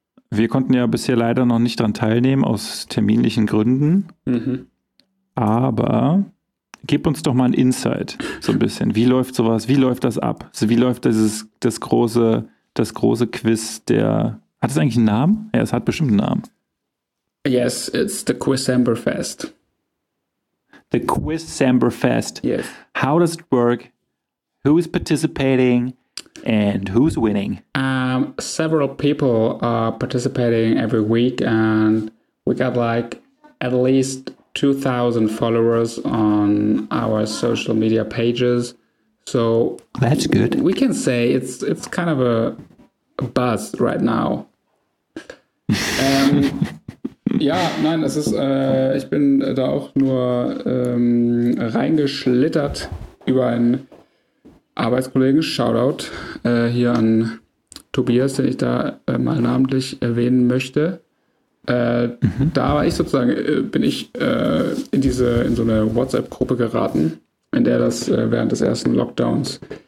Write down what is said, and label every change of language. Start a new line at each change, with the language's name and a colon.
German: Wir konnten ja bisher leider noch nicht dran teilnehmen, aus terminlichen Gründen. Mhm. Aber gib uns doch mal ein Insight, so ein bisschen. Wie läuft sowas? Wie läuft das ab? Also wie läuft das große Quiz der. Hat es eigentlich einen Namen? Ja, es hat bestimmt einen Namen.
English: Yes, it's the Quizember Fest. The Quizember Fest. Yes. How does it work? Who is participating? And who's winning? Several people are participating every week, and we got like at least 2,000 followers on our social media pages. So that's good. We can say it's kind of a buzz right now.
German: ja, nein, es ist. Ich bin da auch nur reingeschlittert über ein Arbeitskollegen, Shoutout hier an Tobias, den ich da mal namentlich erwähnen möchte. Da war ich sozusagen, in so eine WhatsApp-Gruppe geraten, in der das während des ersten Lockdowns